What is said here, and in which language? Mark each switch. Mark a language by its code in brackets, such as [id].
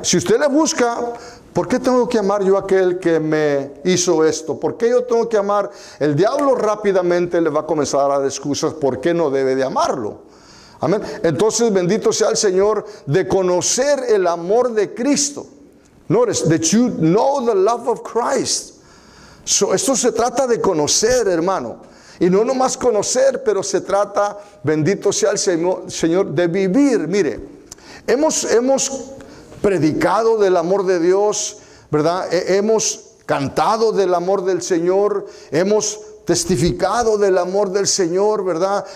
[es] Si usted le busca, ¿por qué tengo que amar yo a aquel que me hizo esto? ¿Por qué yo tengo que amar? El diablo rápidamente le va a comenzar a dar excusas por qué no debe de amarlo. Amén. Entonces, bendito sea el Señor, de conocer el amor de Cristo. [en] Notice, that you know the love of Christ. [es] So, esto se trata de conocer, hermano. Y no nomás conocer, pero se trata, bendito sea el Señor, de vivir. Mire, hemos predicado del amor de Dios, ¿verdad? Hemos cantado del amor del Señor, hemos testificado del amor del Señor, ¿verdad?